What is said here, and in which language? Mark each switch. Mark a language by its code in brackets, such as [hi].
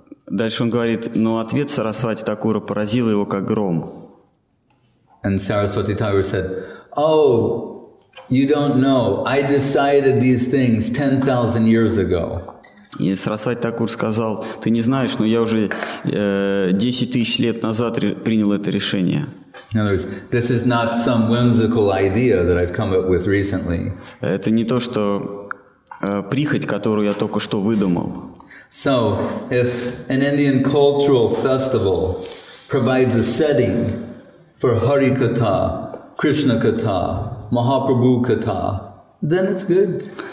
[ru] Дальше он говорит, но ответ Сарасвати Такура поразил его как гром. [en] And Saraswati Thakur said, oh, you don't know, I decided these things 10,000 years ago. [ru] И Сарасвати Такур сказал, ты не знаешь, но я уже 10 тысяч лет назад принял это решение. [en] In other words, this is not some whimsical idea that I've come up with recently. [ru] Это не то, что прихоть, которую я только что выдумал. [en] So, if an Indian cultural festival provides a setting for Harikatha, Krishna Katha, Mahaprabhu Katha, then it's good.